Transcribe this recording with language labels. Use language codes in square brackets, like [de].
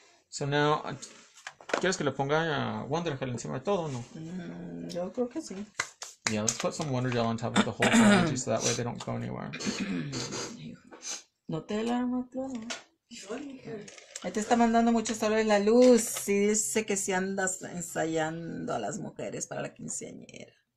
[en] So now, [es] ¿quieres que le ponga Wonder Gel encima de todo o no? Yo creo que sí. [en] Yeah, let's put some Wonder Gel on top of the whole thing so that way they don't go anywhere. [es] No te la mato, ¿no? Te está mandando mucho sol en la luz y dice que si andas ensayando a las mujeres para la quinceañera.